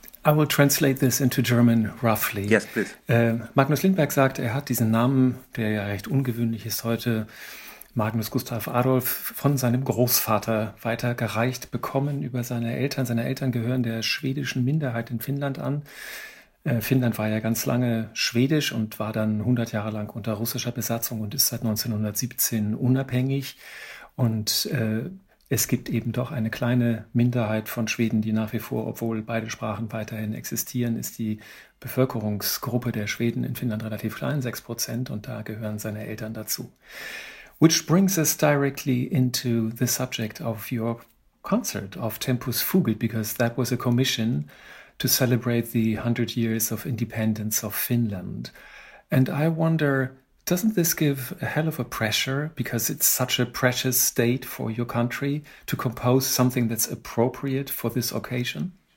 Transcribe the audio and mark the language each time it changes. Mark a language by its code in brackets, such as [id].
[en] I will translate this into German roughly. Yes, please. [de] Magnus Lindberg sagt, er hat diesen Namen, der ja recht ungewöhnlich ist heute, Magnus Gustav Adolf, von seinem Großvater weitergereicht bekommen über seine Eltern. Seine Eltern gehören der schwedischen Minderheit in Finnland an. Finnland war ja ganz lange schwedisch und war dann 100 Jahre lang unter russischer Besatzung und ist seit 1917 unabhängig. Und es gibt eben doch eine kleine Minderheit von Schweden, die nach wie vor, obwohl beide Sprachen weiterhin existieren, ist die Bevölkerungsgruppe der Schweden in Finnland relativ klein, 6%, und da gehören seine Eltern dazu. [en] Which brings us directly into the subject of your concert, of Tempus Fugit, because that was a commission to celebrate the 100 years of independence of Finland. And I wonder, doesn't this give a hell of a pressure, because it's such a precious date for your country, to compose something that's appropriate for this occasion?